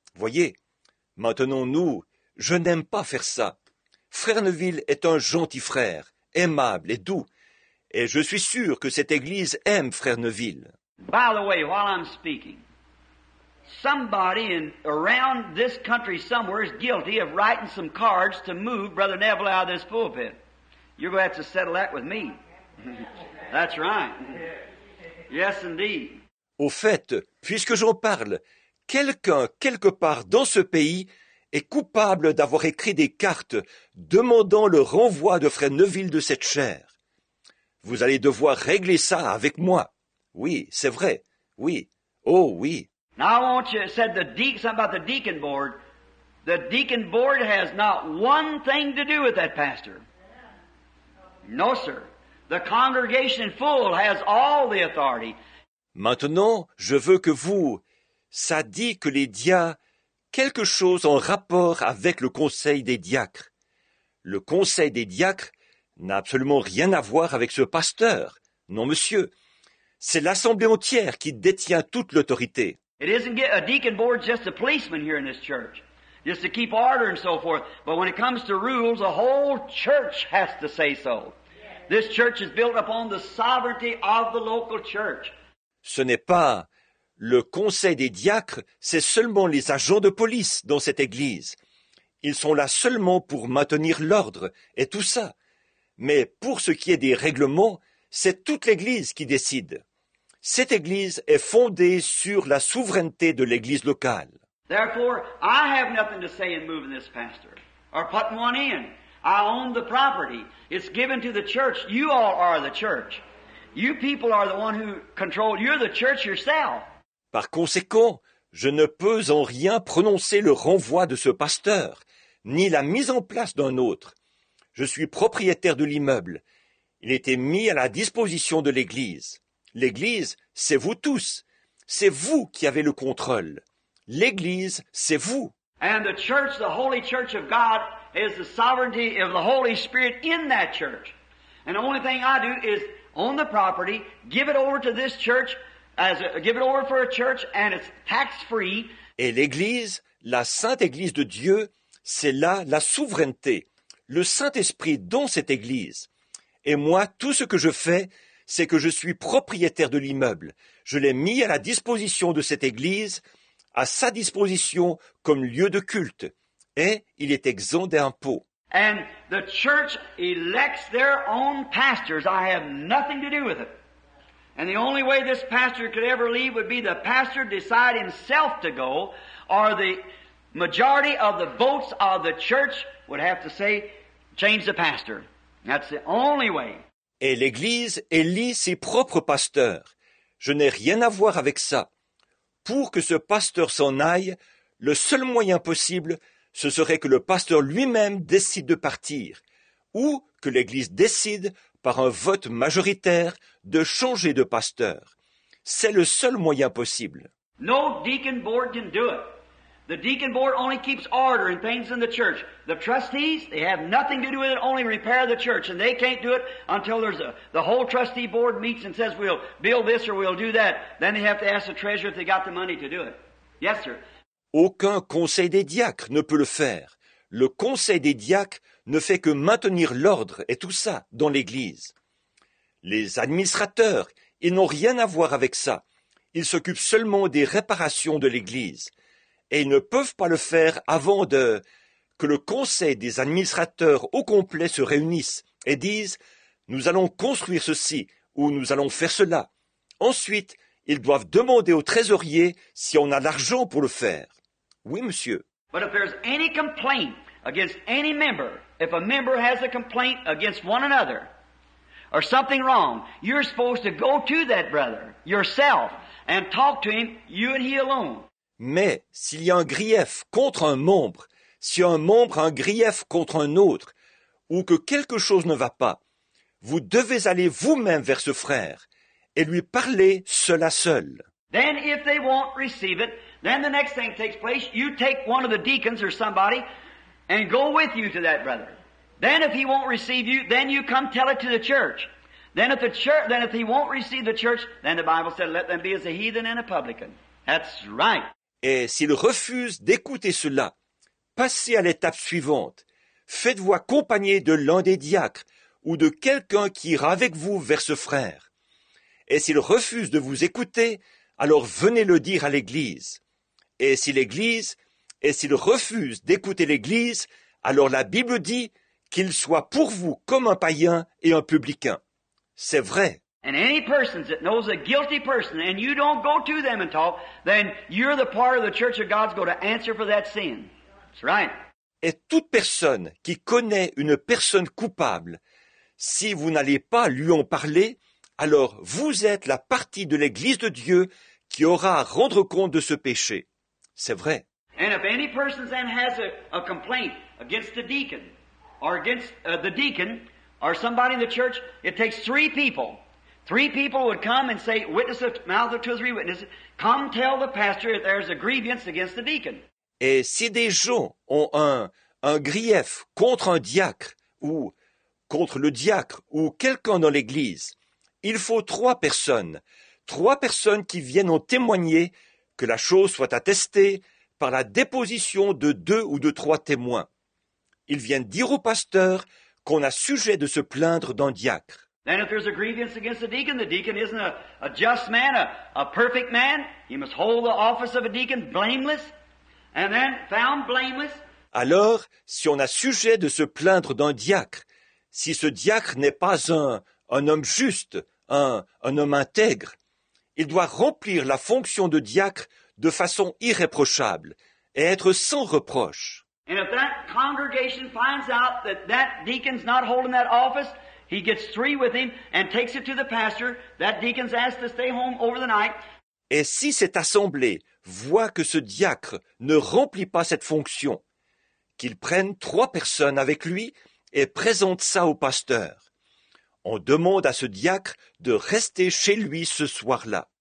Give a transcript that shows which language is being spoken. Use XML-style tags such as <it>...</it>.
<fr>Voyez, maintenant nous, je n'aime pas faire ça. Frère Neville est un gentil frère, aimable et doux. Et je suis sûr que cette église aime Frère Neville.</fr> <en>By the way, while I'm speaking, somebody in around this country somewhere is guilty of writing some cards to move Brother Neville out of this pulpit. You're going to have to settle that with me. That's right. Yes, indeed.</en> <fr>Au fait, puisque j'en parle, quelqu'un quelque part dans ce pays est coupable d'avoir écrit des cartes demandant le renvoi de Frère Neville de cette chaire. Vous allez devoir régler ça avec moi. Oui, c'est vrai. Oui. Oh, oui.</fr> <en>Now I want you to say something about the deacon board. The deacon board has not one thing to do with that pastor. No, sir. The congregation full has all the authority.</en> <fr>Maintenant, je veux que vous... Ça dit que les diacres... Quelque chose en rapport avec le conseil des diacres. Le conseil des diacres... n'a absolument rien à voir avec ce pasteur. Non, monsieur. C'est l'assemblée entière qui détient toute l'autorité.</fr> <en>It isn't a deacon board just a policeman here in this church, just to keep order and so forth. But when it comes to rules, the whole church has to say so. This church is built upon the sovereignty of the local church.</en> <fr>Ce n'est pas le conseil des diacres, c'est seulement les agents de police dans cette église. Ils sont là seulement pour maintenir l'ordre et tout ça. Mais pour ce qui est des règlements, c'est toute l'Église qui décide. Cette Église est fondée sur la souveraineté de l'Église locale.</fr> <en>Therefore, I have nothing to say in moving this pastor or putting one in. I own the property. It's given to the church. You all are the church. You people are the one who control. You're the church yourself.</en> <fr>Par conséquent, je ne peux en rien prononcer le renvoi de ce pasteur, ni la mise en place d'un autre. Je suis propriétaire de l'immeuble. Il était mis à la disposition de l'Église. L'Église, c'est vous tous. C'est vous qui avez le contrôle. L'Église, c'est vous.</fr> <en>And the church, the Holy Church of God, is the sovereignty of the Holy Spirit in that church. And the only thing I do is own the property, give it over to this church, as a, give it over for a church, and it's tax-free.</en> <fr>Et l'Église, la Sainte Église de Dieu, c'est là la souveraineté, le Saint-Esprit dans cette Église. Et moi, tout ce que je fais, c'est que je suis propriétaire de l'immeuble. Je l'ai mis à la disposition de cette Église, à sa disposition comme lieu de culte. Et il est exempt d'impôts.</fr> <en>And the church elects their own pastors. I have nothing to do with it. And the only way this pastor could ever leave would be the pastor decide himself to go, or the majority of the votes of the church would have to say, change the pastor. That's the only way.</en> <fr>Et l'Église élit ses propres pasteurs. Je n'ai rien à voir avec ça. Pour que ce pasteur s'en aille, le seul moyen possible, ce serait que le pasteur lui-même décide de partir, ou que l'Église décide, par un vote majoritaire, de changer de pasteur. C'est le seul moyen possible.</fr> <en>No deacon board can do it. The deacon board only keeps order and things in the church. The trustees, they have nothing to do with it, only repair the church. And they can't do it until there's a, the whole trustee board meets and says, we'll build this or we'll do that. Then they have to ask the treasurer if they got the money to do it. Yes, sir.</en> <fr>Aucun conseil des diacres ne peut le faire. Le conseil des diacres ne fait que maintenir l'ordre et tout ça dans l'Église. Les administrateurs, ils n'ont rien à voir avec ça. Ils s'occupent seulement des réparations de l'Église. Et ils ne peuvent pas le faire avant de que le conseil des administrateurs au complet se réunisse et dise « Nous allons construire ceci ou nous allons faire cela ». Ensuite, ils doivent demander au trésorier si on a l'argent pour le faire. Oui, monsieur.</fr> <en>But if there's any complaint against any member, if a member has a complaint against one another, or something wrong, you're supposed to go to that brother yourself and talk to him, you and he alone.</en> <fr>Mais s'il y a un grief contre un membre, si un membre a un grief contre un autre, ou que quelque chose ne va pas, vous devez aller vous-même vers ce frère et lui parler seul à seul.</fr> <en>Then if they won't receive it, then the next thing takes place, you take one of the deacons or somebody and go with you to that brother. Then if he won't receive you, then you come tell it to the church. Then if the church, then if he won't receive the church, then the Bible said, let them be as a heathen and a publican. That's right.</en> <fr>Et s'il refuse d'écouter cela, passez à l'étape suivante. Faites-vous accompagner de l'un des diacres ou de quelqu'un qui ira avec vous vers ce frère. Et s'il refuse de vous écouter, alors venez le dire à l'Église. Et si l'Église, et s'il refuse d'écouter l'Église, alors la Bible dit qu'il soit pour vous comme un païen et un publicain. C'est vrai.</fr> <en>And any person that knows a guilty person and you don't go to them and talk, then you're the part of the church of God's going to answer for that sin. That's right.</en> <fr>Et toute personne qui connaît une personne coupable, si vous n'allez pas lui en parler, alors vous êtes la partie de l'Église de Dieu qui aura à rendre compte de ce péché. C'est vrai.</fr> <en>And if any person then has a complaint against the deacon or against the deacon or somebody in the church, it takes three people. Three people would come and say, witness of mouth of two or three witnesses, come tell the pastor if there's a grievance against the deacon.</en> <fr>Et si des gens ont un grief contre un diacre ou contre le diacre ou quelqu'un dans l'église, il faut trois personnes qui viennent en témoigner que la chose soit attestée par la déposition de deux ou de trois témoins. Ils viennent dire au pasteur qu'on a sujet de se plaindre d'un diacre.</fr> <en>And if there's a grievance against the deacon isn't a just man, a perfect man. He must hold the office of a deacon blameless, and then found blameless.</en> <fr>Alors, si on a sujet de se plaindre d'un diacre, si ce diacre n'est pas un homme juste, un homme intègre, il doit remplir la fonction de diacre de façon irréprochable et être sans reproche.</fr> <en>And if that congregation finds out that deacon's not holding that office, he gets three with him and takes it to the pastor. That deacon's asked to stay home over the night.</en> <fr>Et si cette assemblée voit que ce diacre ne remplit pas cette fonction, qu'il prenne trois personnes avec lui et présente ça au pasteur. On demande à ce diacre de rester chez lui ce soir-là.</fr>